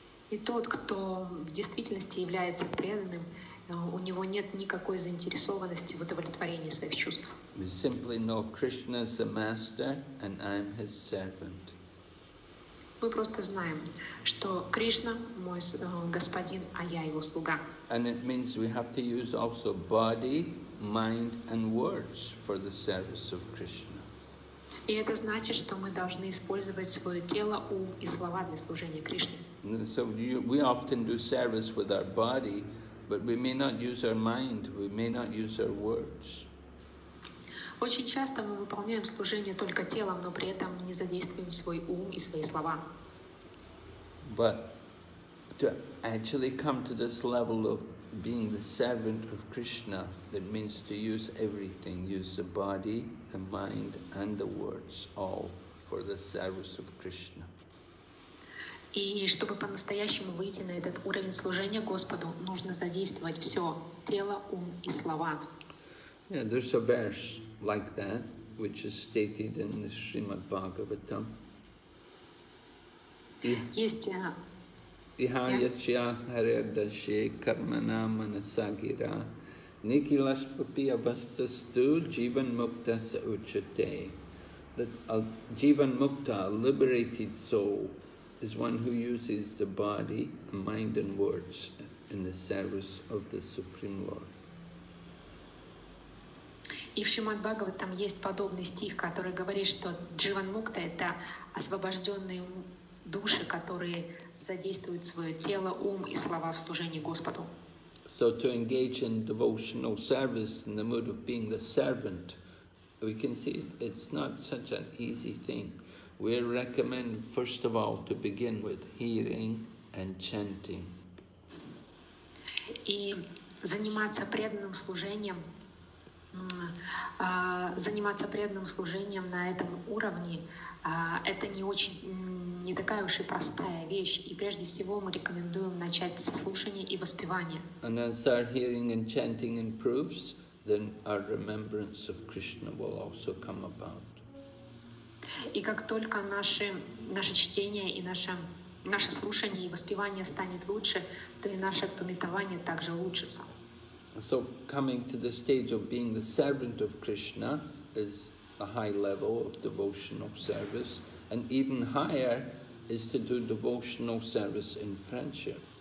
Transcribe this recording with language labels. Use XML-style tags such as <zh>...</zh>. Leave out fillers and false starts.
<ru>И тот, кто в действительности является преданным, у него нет никакой заинтересованности в удовлетворении своих чувств.</ru> <en>We simply know Krishna is the master and I'm his servant.</en> <ru>Мы просто знаем, что Кришна мой господин, а я его слуга.</ru> <en>And it means we have to use also body, mind and words for the service of Krishna.</en> <ru>И это значит, что мы должны использовать свое тело, ум и слова для служения Кришне.</ru> <en>So we often do service with our body, but we may not use our mind, we may not use our words.</en> <ru>Очень часто мы выполняем служение только телом, но при этом не задействуем свой ум и свои слова.</ru> <en>But to actually come to this level of being the servant of Krishna, that means to use everything, use the body, the mind, and the words all for the service of Krishna.</en> <ru>И чтобы по-настоящему выйти на этот уровень служения Господу, нужно задействовать все — тело, ум и слова.</ru> <en>Yeah, there's a verse like that, which is stated in the Srimad Bhagavatam.</en> <ru>Есть.</ru> <sa>Ihayachya haryadashe karmana manasagira nikilaspapiya vastastu jivan mukta sa uchate.</sa> <en>That a jivan mukta, a liberated soul, is one who uses the body, mind and words in the service of the Supreme Lord.</en> <ru>И в Шримад Бхагаватам есть подобный стих, который говорит, что дживан мукта — это освобожденные души, которые задействуют свое тело, ум и слова в служении Господу.</ru> <en>So to engage in devotional service in the mood of being the servant, we can see it's not such an easy thing. We recommend, first of all, to begin with hearing and chanting.</en> <ru>И заниматься преданным служением, на этом уровне, это не очень, не такая уж и простая вещь. И прежде всего мы рекомендуем начать со слушания и воспевания.</ru> <en>And as our hearing and chanting improves, then our remembrance of Krishna will also come about.</en> <ru>И как только наше чтение и наше слушание и воспевание станет лучше, то и наше памятование также улучшится.</ru> <en>So coming to the stage of being the servant of Krishna is a high level of devotional service, and even higher is to do devotional service in friendship.</en>